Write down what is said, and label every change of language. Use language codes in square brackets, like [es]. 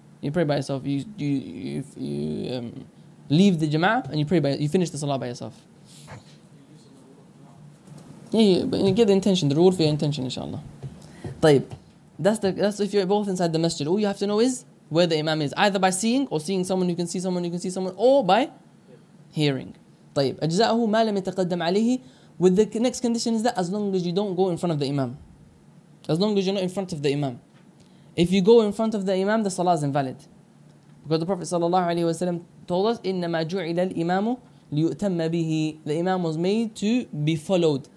[en] Leave the jama'ah and you finish the salah by yourself. Yeah, but you get the intention, the reward for your intention, inshallah. طيب, that's if you're both inside the masjid. All you have to know is where the Imam is, either by seeing someone, you can see someone, or by hearing. [ar] طيب, أجزاءه ما لم يتقدم عليه. [en] With the next condition is that as long as you don't go in front of the Imam. As long as you're not in front of the Imam. If you go in front of the Imam, the salah is invalid. Because the Prophet sallallahu alaihi wasallam told us, [ar] إِنَّمَا جُعِلَ الْإِمَامُ لِيُؤْتَمَّ بِهِ. [en] The Imam was made to be followed.